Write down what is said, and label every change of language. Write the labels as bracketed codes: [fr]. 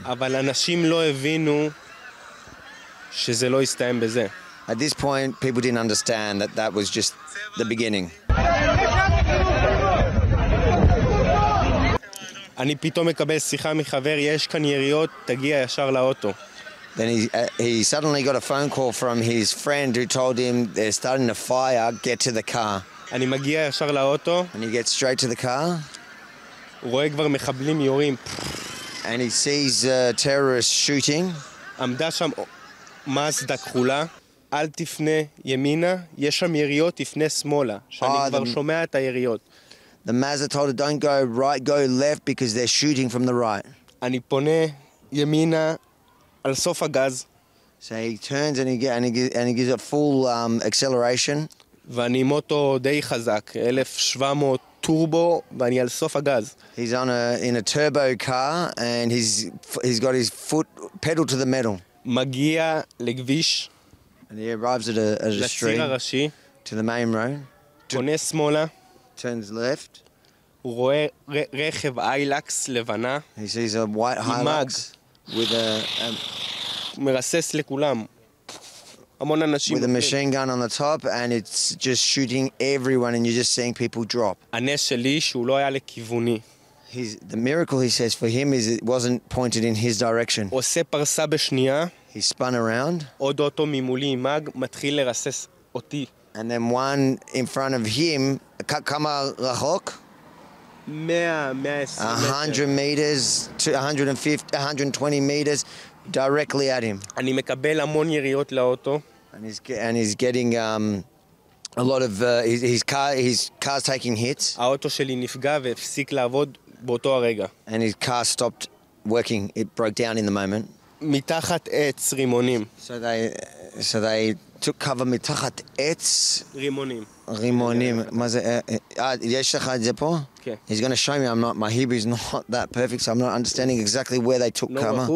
[he] אבל אנשים לא הבינו שזה לא יסתיים בזה. [en] At this point, people didn't understand that that was just the beginning. [he] אני פתאום מקבל שיחה מחבר, יש כאן יריות, תגיע ישר לאוטו. [en] Then he suddenly got a phone call from his friend who told him they're starting a fire, get to the car. [he] אני מגיע ישר לאוטו. [en] And he gets straight to the car. [he] רואה כבר מחבלים יורים. [en] And he sees terrorists shooting. [he] עמדה שם מזדה כחולה. אל תפנה ימינה, יש שם יריות, תפנה שמאלה. שאני כבר שומע את היריות. [en] The Mazda told her, don't go right, go left, because they're shooting from the right. [he] אני פונה ימינה על סוף הגז. [en] So he turns and he gives a full acceleration. [he] ואני עם אוטו די חזק, 1,700 טורבו, ואני על סוף הגז. [en] He's in a turbo car and he's got his foot pedal to the metal. [he] מגיע לכביש. [en] And he arrives at a street. [he] לציר הראשי. [en] To the main road. [he] פונה שמאלה. [en] Turns left. [he] הוא רואה רכב איילקס לבנה. [en] He sees a white Hilux with a... [he] מרסס לכולם. המון אנשים. [en] With a machine gun on the top, and it's just shooting everyone, and you're just seeing people drop. [he] הנס שלי שהוא לא היה לכיווני. [en] The miracle, he says, for him is it wasn't pointed in his direction. [he] עושה פרסה בשנייה. [en] He spun around. [he] עוד אוטו ממולי עם מג מתחיל לרסס אותי. [en] And then one in front of him, [he] כמה רחוק? [en] 100 meters to 150, 120 meters directly at him. [he] אני מקבל המון יריות לאוטו. [en] And he's getting a lot of his car's taking hits. [he] האוטו שלי נפגע והפסיק לעבוד באותו הרגע. [en] And his car stopped working. It broke down in the moment. [he] מתחת עץ רימונים. [en] So they took cover [he] מתחת עץ רימונים. רימונים. מה זה? יש לך את זה פה? כן. [en] He's going to show me. I'm not, my Hebrew is not that perfect, so I'm not understanding exactly where they took cover.